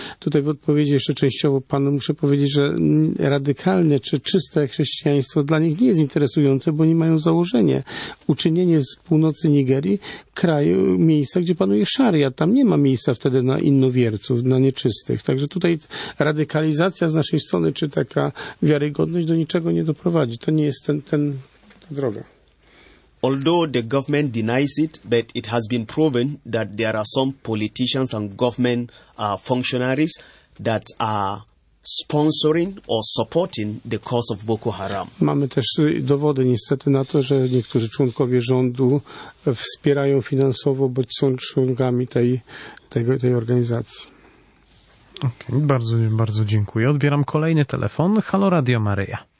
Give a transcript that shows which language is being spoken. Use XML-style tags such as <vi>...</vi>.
<pl>Tutaj w odpowiedzi jeszcze częściowo panu muszę powiedzieć, że radykalne czy czyste chrześcijaństwo dla nich nie jest interesujące, bo oni mają założenie. Uczynienie z północy Nigerii kraju, miejsca, gdzie panuje szaria. Tam nie ma miejsca wtedy na innowierców, na nieczystych. Także tutaj radykalizacja z naszej strony, czy taka wiarygodność do niczego nie doprowadzi. To nie jest ta droga.</pl> <en>Although the government denies it, but it has been proven that there are some politicians and government functionaries that are sponsoring or supporting the cause of Boko Haram.</en> <pl>Mamy też dowody niestety na to, że niektórzy członkowie rządu wspierają finansowo bądź są członkami tej organizacji. Okay, bardzo, bardzo dziękuję. Odbieram kolejny telefon. Halo, Radio Maryja.</pl>